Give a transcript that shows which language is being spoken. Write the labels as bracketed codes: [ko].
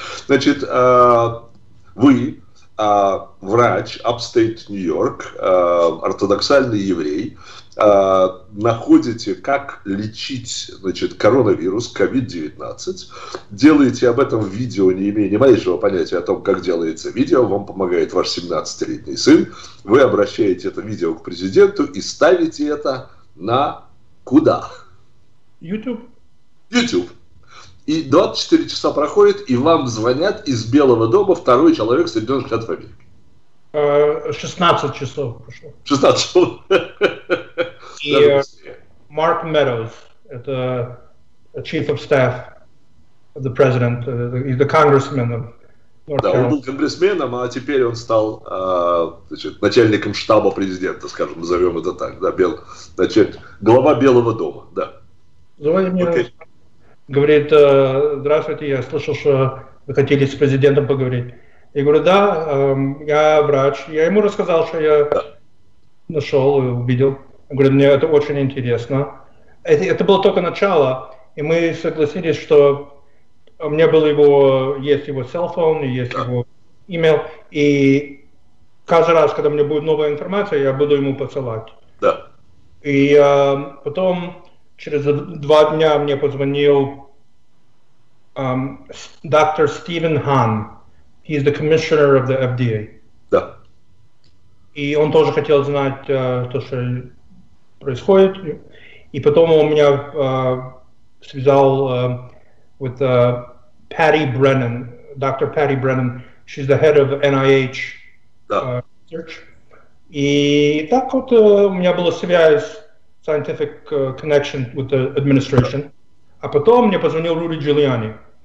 [ru] Значит, вы... врач Upstate New York, ортодоксальный еврей, находите, как лечить, значит, коронавирус, COVID-19, делаете об этом видео, не имея ни малейшего понятия о том, как делается видео, вам помогает ваш 17-летний сын, вы обращаете это видео к президенту и ставите это на куда? YouTube. И 24 часа проходит, и вам звонят из Белого дома второй человек Соединенных Штатов Америки. 16 часов прошло. 16 часов. И Марк Медоуз, это [en] chief of staff of the president, the congressman of [ru] North Carolina. Да, он был конгрессменом, а теперь он стал начальником штаба президента, скажем, назовем это так. Да, глава Белого дома, да. Звоните мне. Okay. Говорит, здравствуйте, я слышал, что вы хотели с президентом поговорить. Я говорю, да, я врач. Я ему рассказал, что я нашел и увидел. Я говорю, мне это очень интересно. Это было только начало, и мы согласились, что у меня был его, есть его селфон, есть его имейл, и каждый раз, когда мне будет новая информация, я буду ему посылать. Да. И потом... Через 2 дня мне позвонил доктор Стивен Хан. [en] He's the commissioner of the FDA. [ru] Да. И он тоже хотел знать то, что происходит. И потом он меня связал with Patty Brennan, доктор Patty Brennan. [en] She's the head of NIH research. [ru] И так вот у меня была связь. [en] Scientific connection with the administration. [ru] А потом мне позвонил Руди Джулиани.